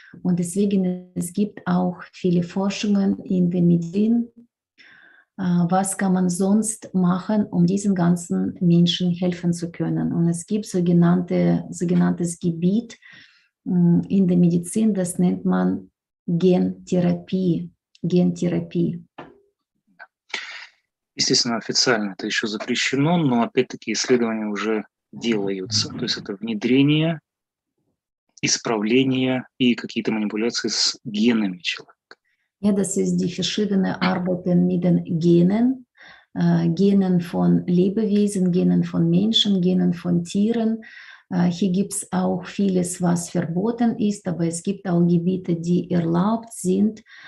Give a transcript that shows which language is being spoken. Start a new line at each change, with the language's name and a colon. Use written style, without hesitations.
German: Und deswegen, es gibt auch viele Forschungen in der Medizin. Was kann man sonst machen, um diesen ganzen Menschen helfen zu können? Und es gibt sogenanntes Gebiet in der Medizin, das nennt man Gentherapie. Gentherapie.
Russian: Естественно, официально это еще запрещено, но опять-таки исследования уже делаются. То есть это внедрение, исправление и какие-то манипуляции с генами человека.
German: Ja, das ist die verschiedene Arbeiten mit den Genen, Genen von Lebewesen, Genen von Menschen, Genen von Tieren. Hier gibt es auch vieles, was verboten ist, aber es gibt auch Gebiete, die erlaubt sind.